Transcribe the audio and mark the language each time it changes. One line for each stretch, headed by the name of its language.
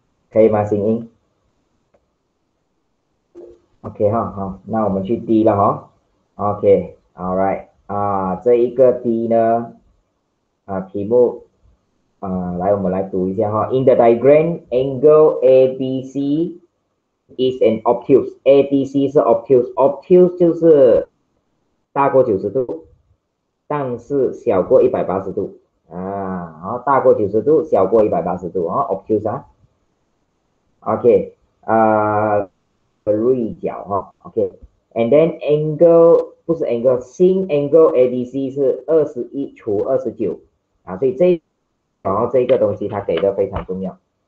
Chinese: 可以吗？声音？OK 哈，那我们去 D 了哈。 OK，All right，这一个 D 呢，题目，来，我们来读一下哈。
English: In the diagram, angle ABC is an obtuse.
Chinese: ABC 是 obtuse，obtuse 就是大过90度，但是小过180度啊。然后大过90度，小过180度啊，obtuse 啊。 OK，锐角哈，OK，
English: and then angle
Chinese: 不是 angle，新 angle ADC 是21除29啊，所以这然后这个东西它给的非常重要。